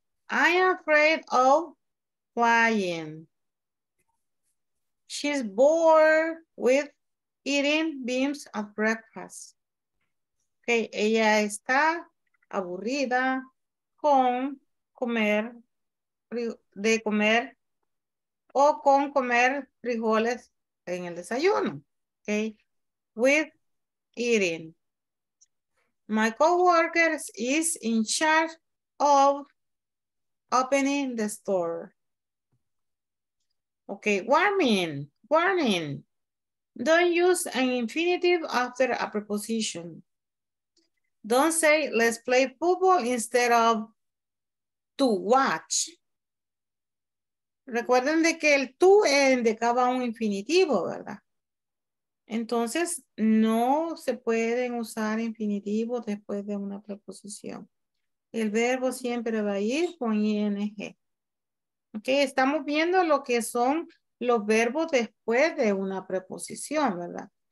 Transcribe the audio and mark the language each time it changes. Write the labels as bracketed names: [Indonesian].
[English] I am afraid of flying. She's bored with eating beans at breakfast. [Spanish] Okay, ella está aburrida con comer, de comer o con comer frijoles en el desayuno. [English] Okay, with eating. My coworker is in charge of opening the store. Okay, warning. Don't use an infinitive after a preposition. Don't say let's play football instead of to watch. [Spanish] Recuerden de que el to indicaba un infinitivo, ¿verdad? Entonces, no se pueden usar infinitivos después de una preposición. El verbo siempre va a ir con ing. Ok, estamos viendo lo que son los verbos después de una preposición, ¿verdad?